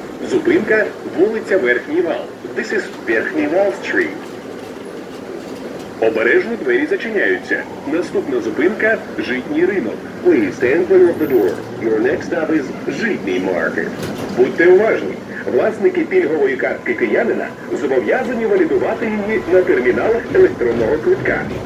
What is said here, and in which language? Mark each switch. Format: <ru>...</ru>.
<uk>Зупинка – вулиця Верхній Вал.</uk> <en>This is Верхній Вал Street.</en> <uk>Обережно двері зачиняються. Наступна зупинка – Житній ринок.</uk> <en>Please stand clear of the door. Your next stop is Житній Маркет.</en> <uk>Будьте уважні! Власники пільгової картки киянина зобов'язані валідувати її на терміналах електронного квитка.</uk>